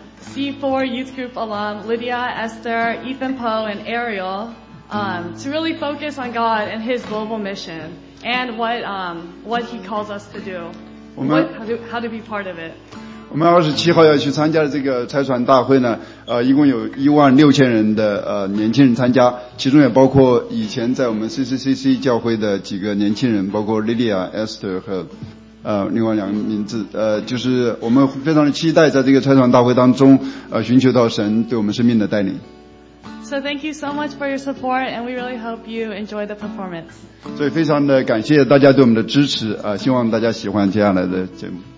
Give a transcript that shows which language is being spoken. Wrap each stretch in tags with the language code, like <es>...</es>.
<en>C4 youth group alum, Lydia, Esther, Ethan Poe, and Ariel, to really focus on God and His global mission and what He calls us to do, how to be part of it.</en> <zh>我们 27号要去参加的这个拆船大会呢, 一共有 16,000人的 年轻人参加, 其中也包括以前在我们CCCC教会的几个年轻人, 包括 Lydia, Esther 和 另外两个名字，就是我们非常期待在这个拆船大会当中，寻求到神对我们生命的带领。</zh> <en>So thank you so much for your support, and we really hope you enjoy the performance.</en> <zh>所以非常的感谢大家对我们的支持，希望大家喜欢接下来的节目。</zh>